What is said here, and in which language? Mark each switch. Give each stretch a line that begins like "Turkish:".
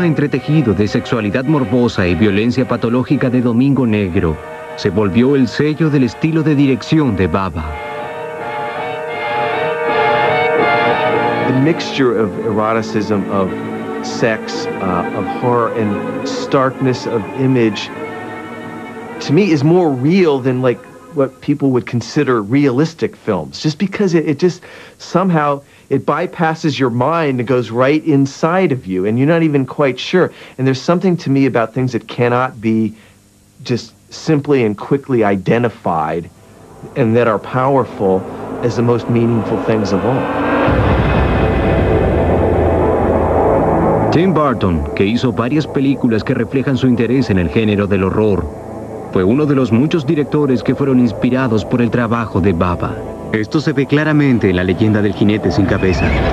Spanish: Tejido de sexualidad morbosa y violencia patológica de Domingo Negro se volvió el sello del estilo de dirección de Bava.
English: The mixture of eroticism, of sex, of horror and starkness of image to me is more real than like what people would consider realistic films, just because it just somehow it bypasses your mind and goes right inside of you, and you're not even quite sure. And there's something to me about things that cannot be just simply and quickly identified and that are powerful as the most meaningful things of all.
Spanish: Tim Burton, que hizo varias películas que reflejan su interés en el género del horror, fue uno de los muchos directores que fueron inspirados por el trabajo de Bava. Esto se ve claramente en la leyenda del jinete sin cabeza.